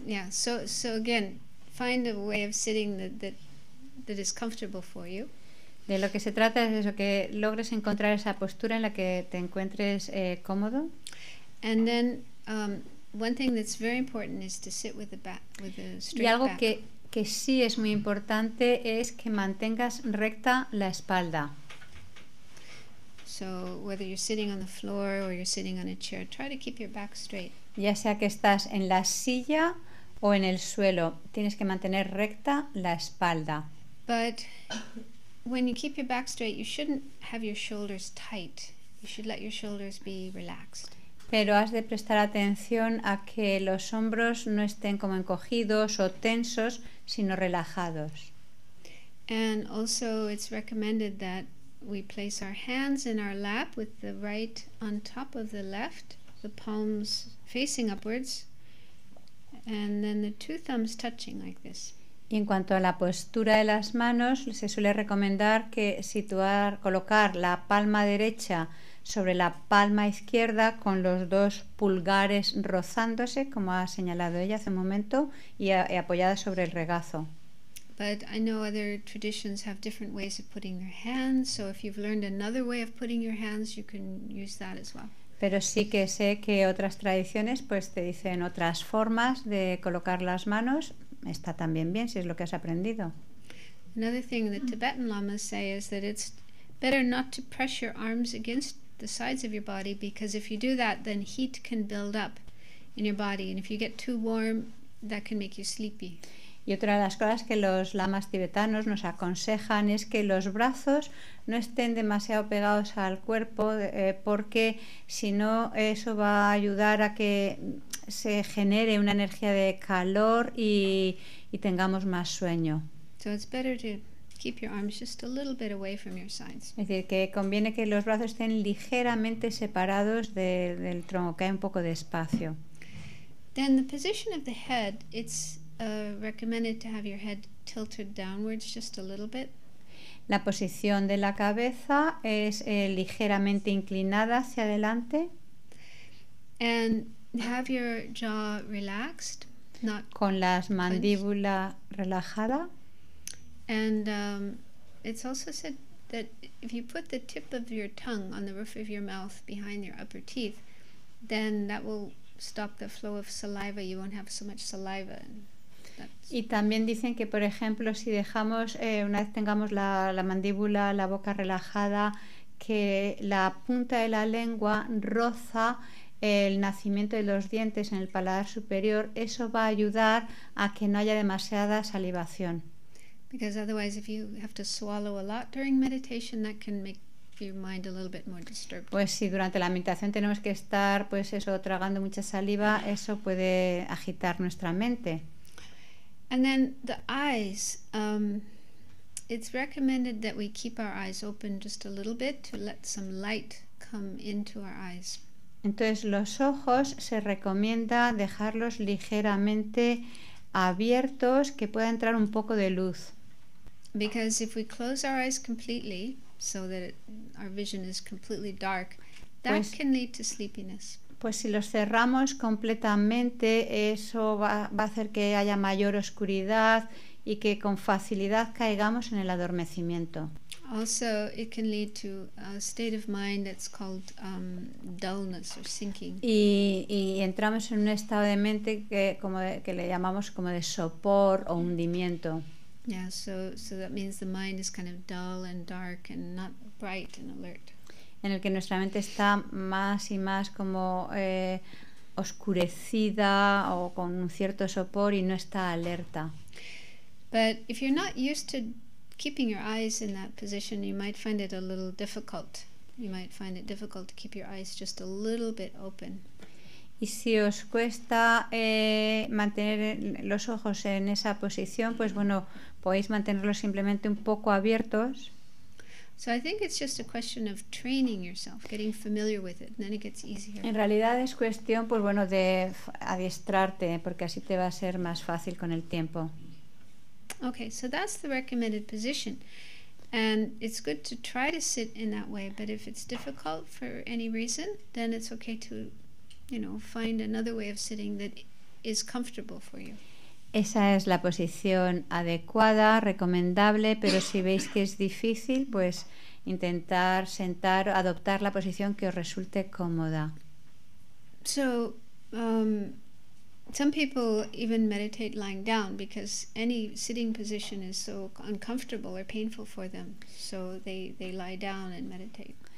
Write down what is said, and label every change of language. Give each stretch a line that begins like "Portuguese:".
English: So again, find a way of sitting that is comfortable for you.
Spanish: De lo que se trata es eso, que logres encontrar esa postura en la que te encuentres cómodo.
English: And then one thing that's very important is to sit with the back, with a straight back.
Spanish: Y algo que sí es muy importante es que mantengas recta la espalda.
English: So whether you're sitting on the floor or you're sitting on a chair, try to keep your back straight.
Spanish: Ya sea que estás en la silla o en el suelo, tienes que mantener recta la espalda.
English: But when you keep your back straight, you shouldn't have your shoulders tight. You should let your shoulders be relaxed.
Spanish: Pero has de prestar atención a que los hombros no estén como encogidos o tensos, sino relajados.
English: And also it's recommended that we place our hands in our lap with the right on top of the left, the palms facing upwards, and then the two thumbs touching like this.
Spanish: Y en cuanto a la postura de las manos, se suele recomendar que colocar la palma derecha sobre la palma izquierda con los dos pulgares rozándose, como ha señalado ella hace un momento, y apoyada sobre el regazo.
English: But I know other traditions have different ways of putting their hands, so if you've learned another way of putting your hands, you can use that as well.
Spanish: Pero sí que sé que otras tradiciones pues te dicen otras formas de colocar las manos. Está también bien si es lo que has aprendido.
English: Another thing that Tibetan lamas say is that it's better not to press your arms against the sides of your body, because if you do that, then heat can build up in your body, and if you get too warm, that can make you sleepy.
Spanish: Y otra de las cosas que los lamas tibetanos nos aconsejan es que los brazos no estén demasiado pegados al cuerpo, porque si no, eso va a ayudar a que se genere una energía de calor y tengamos más sueño.
English: So it's better to keep your arms just a little bit away from your sides.
Spanish: Es decir, que conviene que los brazos estén ligeramente separados del tronco, que hay un poco de espacio.
English: Then the position of the head, it's recommended to have your head tilted downwards just a little bit.
Spanish: La posición de la cabeza es ligeramente inclinada hacia adelante.
English: And have your jaw relaxed, not
Spanish: con las mandíbula relajada.
English: And it's also said that if you put the tip of your tongue on the roof of your mouth behind your upper teeth, then that will stop the flow of saliva. You won't have so much saliva.
Spanish: Y también dicen que, por ejemplo, si dejamos, una vez tengamos la mandíbula, la boca relajada, que la punta de la lengua roza el nacimiento de los dientes en el paladar superior, eso va a ayudar a que no haya demasiada salivación.
English: Because otherwise, if you have to swallow a lot during meditation, that can make your mind a little bit more disturbed.
Spanish: Pues si durante la meditación tenemos que estar, pues eso, tragando mucha saliva, eso puede agitar nuestra mente.
English: And then the eyes, it's recommended that we keep our eyes open just a little bit to let some light come into our eyes.
Spanish: Entonces los ojos se recomienda dejarlos ligeramente abiertos, que pueda entrar un poco de luz.
English: Because if we close our eyes completely, so that our vision is completely dark, that
Spanish: pues
English: can lead to sleepiness.
Spanish: Pues si los cerramos completamente, eso va a hacer que haya mayor oscuridad y que con facilidad caigamos en el adormecimiento.
English: Also, it can lead to a state of mind that's called dullness or sinking.
Spanish: Y entramos en un estado de mente que le llamamos como de sopor o hundimiento.
English: Yeah, so that means the mind is kind of dull and dark and not bright and alert.
Spanish: En el que nuestra mente está más y más como oscurecida o con un cierto sopor y no está alerta.
English: But if you're not used to keeping your eyes in that position, you might find it a little difficult. You might find it difficult to keep your eyes just a little bit open.
Spanish: Y si os cuesta mantener los ojos en esa posición, pues bueno, podéis mantenerlos simplemente un poco abiertos.
English: So I think it's just a question of training yourself, getting familiar with it, and then it gets easier.
Spanish: En realidad es cuestión, pues bueno, de adiestrarte, porque así te va a ser más fácil con el tiempo.
English: Okay, so that's the recommended position. And it's good to try to sit in that way, but if it's difficult for any reason, then it's okay to, you know, find another way of sitting that is comfortable for you.
Spanish: Esa es la posición adecuada, recomendable, pero si veis que es difícil, pues intentar sentar, adoptar la posición que os resulte cómoda.
English: So, some people even meditate lying down because any sitting position is so uncomfortable or painful for them, so they lie down and meditate.